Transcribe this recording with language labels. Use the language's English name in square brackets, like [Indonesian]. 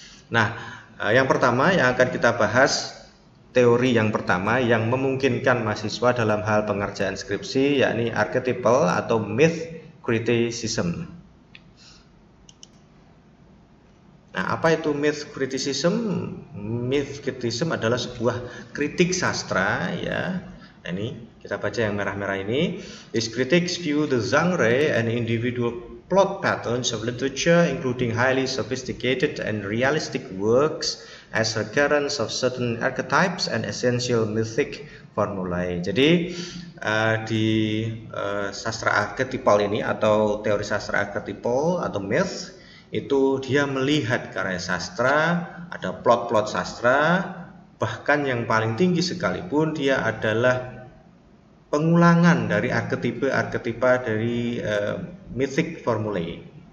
[Indonesian] Nah, yang pertama yang akan kita bahas, teori yang pertama yang memungkinkan mahasiswa dalam hal pengerjaan skripsi, yakni archetypal atau myth criticism. Nah, apa itu myth criticism? Myth criticism adalah sebuah kritik sastra, ya. Nah, ini kita baca yang merah-merah ini. [English] These critics view the genre and individual plot patterns of literature, including highly sophisticated and realistic works, as recurrence of certain archetypes and essential mythic formulae. [Indonesian] Jadi di sastra archetypal ini atau teori sastra archetypal atau myth itu dia melihat karya sastra, ada plot-plot sastra, bahkan yang paling tinggi sekalipun dia adalah pengulangan dari arketipe-arketipe dari mythic formulae.